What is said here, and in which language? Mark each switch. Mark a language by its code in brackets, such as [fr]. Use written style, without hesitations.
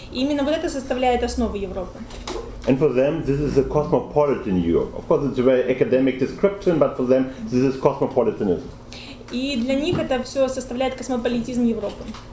[ru] И именно вот это составляет основу Европы. [en] And for them, this is a cosmopolitan Europe. Of course, it's a very academic description, but for them, this is cosmopolitanism. [ru] И для них это все составляет космополитизм Европы.